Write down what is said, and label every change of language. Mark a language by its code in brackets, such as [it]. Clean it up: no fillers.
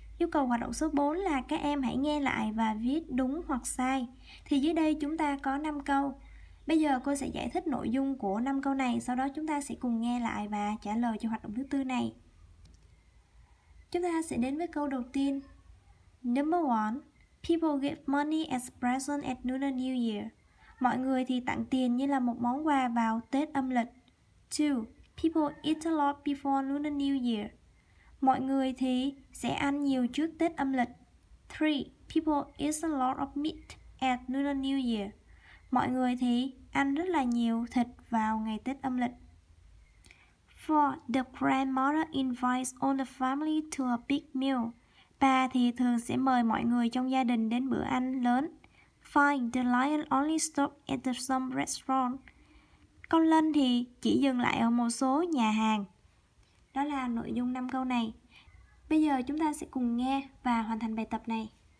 [vi] Yêu cầu hoạt động số 4 là các em hãy nghe lại và viết đúng hoặc sai. Thì dưới đây chúng ta có 5 câu. Bây giờ cô sẽ giải thích nội dung của 5 câu này, sau đó chúng ta sẽ cùng nghe lại và trả lời cho hoạt động thứ 4 này. Chúng ta sẽ đến với câu đầu tiên. [en] Number 1. People give money as present at Lunar New Year. [vi] Mọi người thì tặng tiền như là một món quà vào Tết âm lịch. [en] 2. People eat a lot before Lunar New Year. [vi] Mọi người thì sẽ ăn nhiều trước Tết âm lịch. [en] 3. People eat a lot of meat at Lunar New Year. [vi] Mọi người thì ăn rất là nhiều thịt vào ngày Tết âm lịch. [en] 4. The grandmother invites all the family to a big meal. [vi] Bà thì thường sẽ mời mọi người trong gia đình đến bữa ăn lớn. 5. [en] The lion only stops at some restaurant. [vi] Con lân thì chỉ dừng lại ở một số nhà hàng. Đó là nội dung 5 câu này. Bây giờ chúng ta sẽ cùng nghe và hoàn thành bài tập này.